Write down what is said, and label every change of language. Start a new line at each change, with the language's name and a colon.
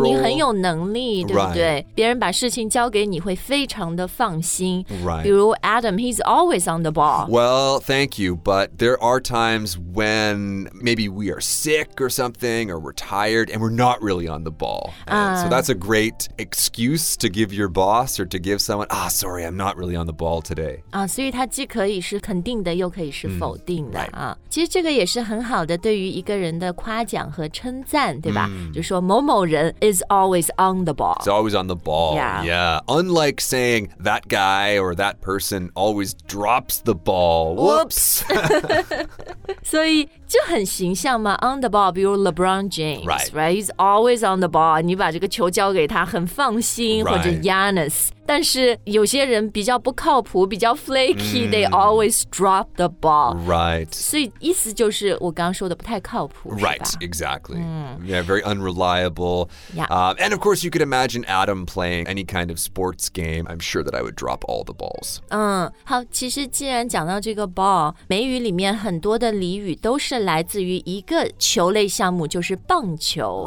Chinese: 然后你很有能力，对不对？
English: Right.
Chinese: 别人把事情交给你会非常的放心
English: right.
Chinese: 比如
English: Adam, he's always on the ball. Well, thank you, but there are times when maybe we are sick or something, or we're tired, and we're not really on the ball.、So that's a great excuse to give your boss or to give someone, sorry, I'm not really on the ball today.
Chinese: 所以它既可以是肯定的又可以是否定的、
English: right.
Chinese: 其实这个也是很好的对于一个人的夸奖和称赞对吧、就说某某人
English: is always on the ball. He's always on the ball. Yeah. Unlike saying,that guy or that person always drops the ball. Whoops!
Chinese: 所以就很形象嘛
English: on the ball,
Chinese: 比如 LeBron James,
English: right. right? He's always on the ball.
Chinese: 你把这个球交给他很放心、
English: right.
Chinese: 或者 Giannis. 但是有些人比较不靠谱比较 flaky,、
English: they always drop the ball. Right.
Chinese: 所以意思就是我刚刚说的不太靠谱
English: Right, exactly.、Yeah, very unreliable.、 Yeah. And of course, you could imagine Adam playing any kind of sports game. I'm sure that I would drop all the balls.
Chinese: 好，其实既然讲到这个 ball, 美语里面很多的俚语都是来自于一个球类项目，就是棒球。